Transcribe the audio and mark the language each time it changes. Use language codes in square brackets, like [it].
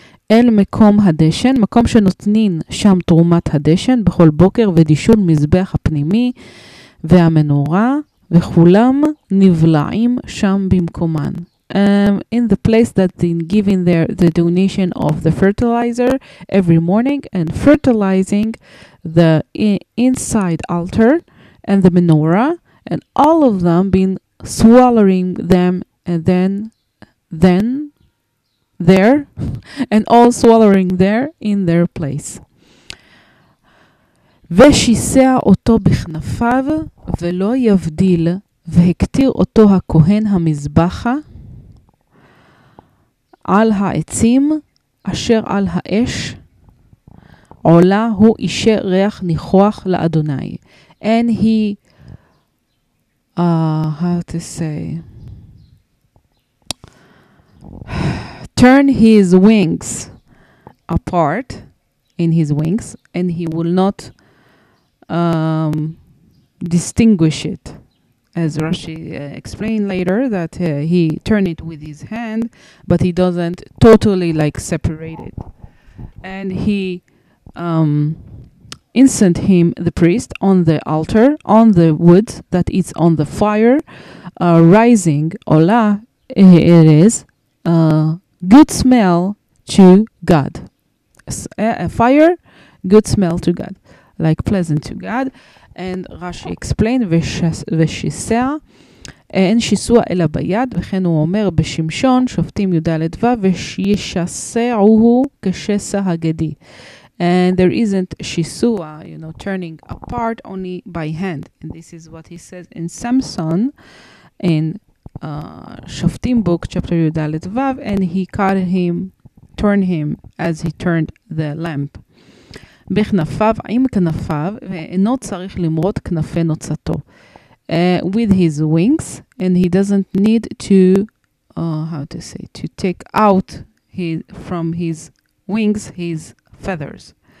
[he] אל מקום הדשן, מקום שנותנין שם תרומת הדשן בכל בוקר ודישון מזבח הפנימי. והמנורה וכולם נבלעים שם במקומן. [en] In the place that they give in there the donation of the fertilizer every morning and fertilizing the inside altar and the menorah and all of them been swallowing them and then there and all swallowing there in their place. [he] ושיסע אותו בכנפיו ולא יבדיל והקטיר אותו הכהן המזבחה על העצים אשר על האש עולה הוא אישה ריח ניחוח לאדוני. [en] And he how to say, turn his wings apart in his wings, and he will not distinguish it. As Rashi explained later, that he turned it with his hand, but he doesn't totally like separate it. And he incense him, the priest, on the altar, on the wood that is on the fire, rising, Ola, it is a good smell to God. A fire, good smell to God, like pleasant to God. And Rashi explained, [he] Veshiseh, En shisua ela bayad, וכן הוא אומר בשמשון, שופטים יהודה לדווה, ושישסעוהו כשסע הגדי. [en] And there isn't shisua, you know, turning apart only by hand. And this is what he says in Samson, in Shoftim book, chapter Yudal Vav, and he cut him, turn him as he turned the lamp. [he] בכנפיו, עם כנפיו, ואינו צריך למרות כנפי נוצתו. [en] With his wings, and he doesn't need to, to take out his, from his wings, his feathers.